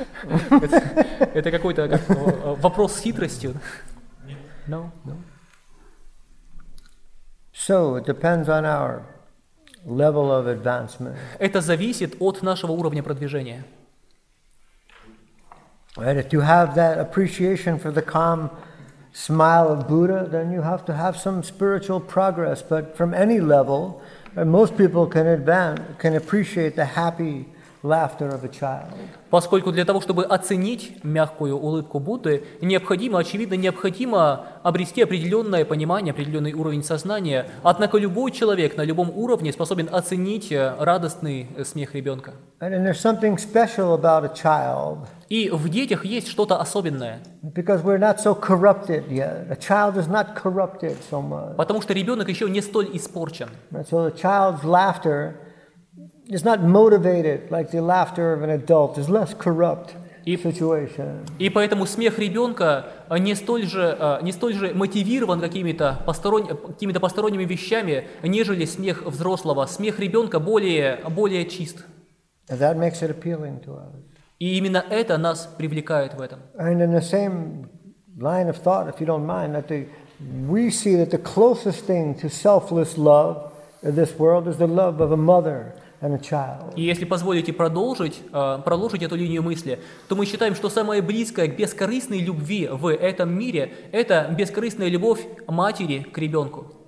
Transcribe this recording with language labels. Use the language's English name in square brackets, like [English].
[Russian] Это какой-то вопрос с хитростью? [English] No. So it depends on our level of advancement. [Russian] Это зависит от нашего уровня продвижения. [English] Right, if you have that appreciation for the calm smile of Buddha, then you have to have some spiritual progress. But from any level, most people can advance, can appreciate the happy laughter of a child. [Russian] Поскольку для того, чтобы оценить мягкую улыбку Будды, необходимо обрести определенное понимание, определенный уровень сознания. Однако любой человек на любом уровне способен оценить радостный смех ребенка. [English] And there's something special about a child. [Russian] И в детях есть что-то особенное. [English] Because we're not so corrupted yet. A child is not corrupted so much. [Russian] Потому что ребенок еще не столь испорчен. [English] So a child's laughter. It's not motivated like the laughter of an adult. It's less corrupt situation. [Russian] И поэтому смех ребенка не столь же мотивирован какими-то посторонними вещами, нежели смех взрослого. Смех ребенка более чист. [English] And that makes it appealing to us. [Russian] И именно это нас привлекает в этом. [English] And in the same line of thought, if you don't mind, that we see that the closest thing to selfless love in this world is the love of a mother. [Russian] И если позволите продолжить эту линию мысли, то мы считаем, что самое близкое к бескорыстной любви в этом мире – это бескорыстная любовь матери к ребенку.